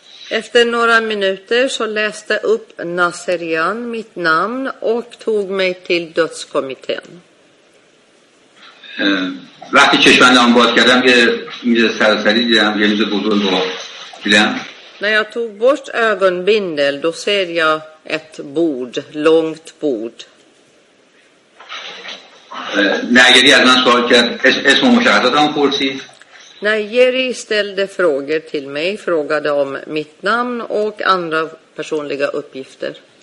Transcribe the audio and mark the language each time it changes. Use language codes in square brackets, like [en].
[sv] Efter några minuter så läste upp Naserian mitt namn och tog mig till dödskommittén. [fa] وقتی چشمندم باز کردم که میز سراسری دیدم یه میز بزرگ رو دیدم. [sv] När jag tog bort ögonbindel då ser jag ett bord, långt bord. [fa] نگری از من سوال کرد اسم و مشخصاتم پرسید. [sv] När Jerry ställde frågor till mig, frågade om mitt namn och andra personliga uppgifter.